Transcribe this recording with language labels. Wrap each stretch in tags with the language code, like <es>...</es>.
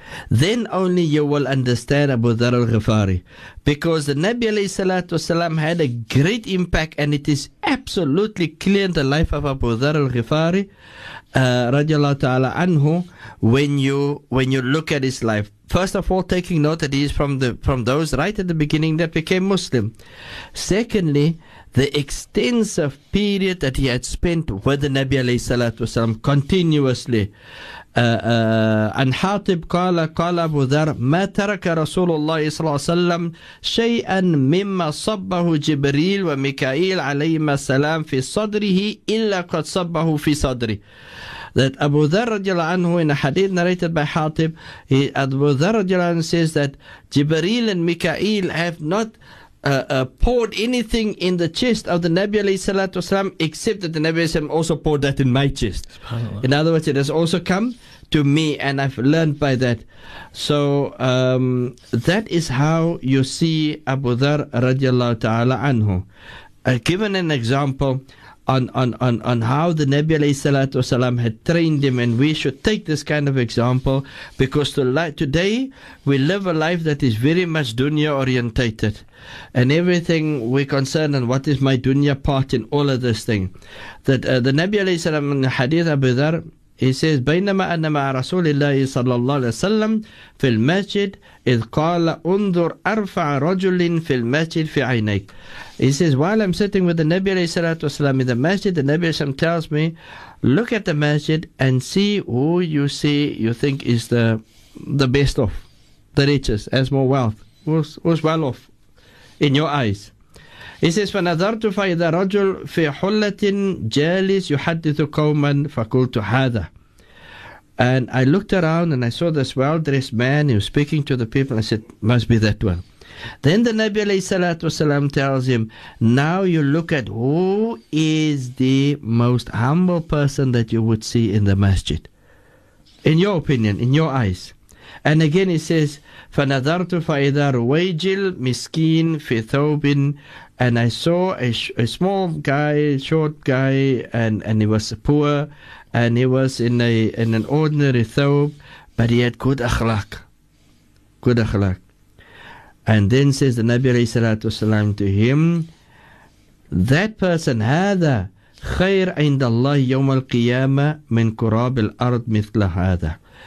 <en>Then only you will understand Abu Dhar al-Ghifari. Because the Nabi alayhi salatu wasalam had a great impact, and it is absolutely clear in the life of Abu Dhar al-Ghifari, radiallahu ta'ala anhu, when you look at his life. First of all, taking note that he is from those right at the beginning that became Muslim. Secondly, the extensive period that he had spent with the Nabi alayhi salatu wasalam continuously.</en> <ar>عن حاطب قال قال أبو ذر ما ترك رسول الله صلى الله عليه وسلم شيئا مما صبه جبريل وميكائيل عليهما السلام في صدره إلا قد صبه في صدره.</ar> <en>That Abu Dharr radiallahu anhu, in a hadith narrated by Hatib, Abu Dharr radiallahu anhu says that Jibreel and Mikael have not poured anything in the chest of the Nabi alayhi salatu wasalam, except that the Nabi alayhi salam also poured that in my chest. In other words, it has also come to me, and I've learned by that. So that is how you see Abu Dharr radiallahu ta'ala anhu. Given an example on how the Nabi alayhi salatu wasalam had trained him, and we should take this kind of example, because today we live a life that is very much dunya orientated, and everything we concern and what is my dunya part in all of this thing. That the Nabi alayhi salam in the hadith Abu Dharr, he says</en> <ar>بينما أنا مع رسول الله صلى الله عليه وسلم في المسجد إذ قال انظر أرفع رجل في المسجد في عينيك.</ar> <en>He says, while I'm sitting with the Nabi alayhi salatu wasalam in the masjid, the Nabi alayhi salam tells me, look at the masjid and see who you think is the best of, the richest, has more wealth, who's well off in your eyes. He says,</en> <ar>فَنَذَرْتُ فَإِذَا رَجُلْ فِي حُلَّةٍ جَالِسْ يُحَدِّثُ قَوْمًا فَقُلْتُ هَذَا.</ar> <en>And I looked around and I saw this well-dressed man who was speaking to the people. I said, must be that one. Then the Nabi alayhi salatu wasalam tells him, now you look at who is the most humble person that you would see in the masjid, in your opinion, in your eyes. And again he says,</en> <ar>فَنَذَرْتُ فَإِذَا رُوَيْجِلْ مِسْكِينْ فِي ثَوْبٍ.</ar> <en>And I saw a small guy, short guy, and he was poor, and he was in an ordinary thawb, but he had good akhlaq. Good akhlaq. And then says the Nabi alayhi salatu wasalam to him, that person,</en> <ar>هذا خير عند الله يوم القيامة من كراب الأرض مثل هذا.</ar>